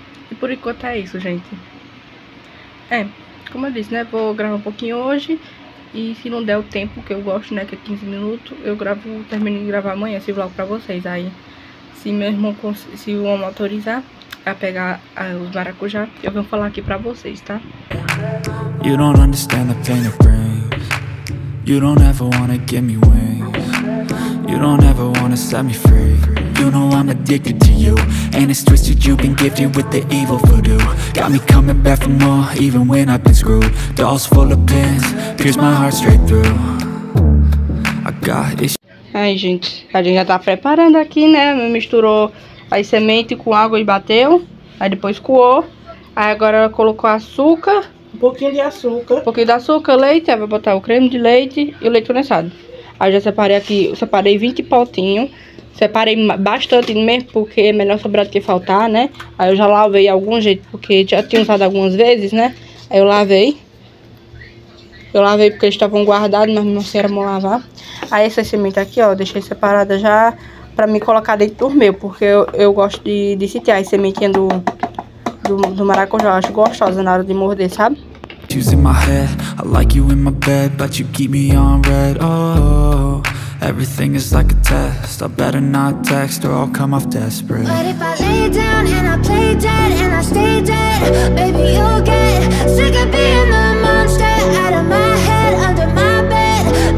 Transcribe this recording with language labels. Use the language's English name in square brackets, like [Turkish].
[Portuguese] E por enquanto é isso, gente. É, como eu disse, né? Vou gravar um pouquinho hoje. E se não der o tempo que eu gosto, né, que é 15 minutos, eu gravo, termino de gravar amanhã esse vlog pra vocês. Aí, se meu irmão, se o homem autorizar a pegar os maracujá, eu vou falar aqui pra vocês, tá? [English] You don't understand the pain it brings. You don't ever wanna give me wings. You don't ever wanna set me free. You know I'm addicted to you. And it's twisted, you've been gifted with the evil voodoo. Got me coming back for more, even when I've been screwed. Dolls full of pins, pierce my heart straight through. I got it. [Portuguese] Aí, gente, a gente já tá preparando aqui, né? Misturou as sementes com água e bateu. Aí depois coou. Aí agora ela colocou açúcar. Um pouquinho de açúcar. Um pouquinho de açúcar, leite. Aí vai botar o creme de leite e o leite condensado. Aí já separei aqui, eu separei 20 potinhos. Separei bastante mesmo, porque é melhor sobrar do que faltar, né? Aí eu já lavei algum jeito, porque já tinha usado algumas vezes, né? Aí eu lavei. Eu lavei porque eles estavam guardados, mas não sei como lavar. Aí essa semente aqui, ó, deixei separada já pra me colocar dentro do meu. Porque eu gosto de sentir as sementinhas do maracujá. Eu acho gostosa na hora de morder, sabe? [English] In my head, I like you in my bed, but you keep me on red. Oh, everything is like a test. I better not text or I'll come off desperate. But if I lay down and I play dead and I stay dead, baby, you'll get sick of being the monster out of my head, under my bed.